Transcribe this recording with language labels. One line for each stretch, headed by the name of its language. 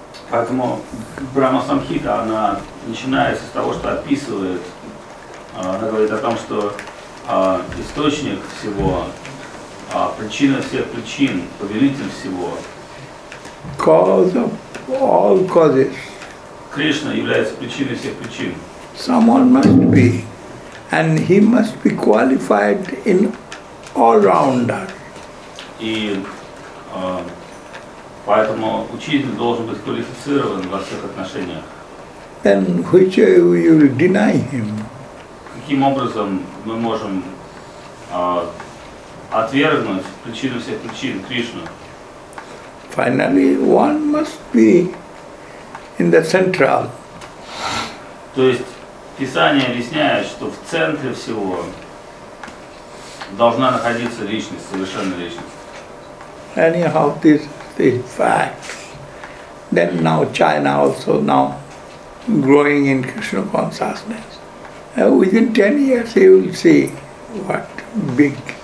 Russian: Поэтому Брахма Самхита, она начинается с того, что описывает, она говорит о том, что источник всего, причина всех причин, повелитель всего.
English: Cause of all causes.
Russian: Кришна является причиной всех причин.
English: Someone must be, and he must be qualified in all-rounder.
Russian: И поэтому учитель должен быть квалифицирован во всех отношениях.
English: Then which way you will deny him?
Russian: Каким образом мы можем отвергнуть причину всех причин, Кришну?
English: Finally, one must be in the central.
Russian: То есть Писание объясняет, что в центре всего должна находиться личность, совершенная личность.
English: Anyhow, this is fact. Then now China also now growing in Krishna consciousness. Within 10 years you will see what big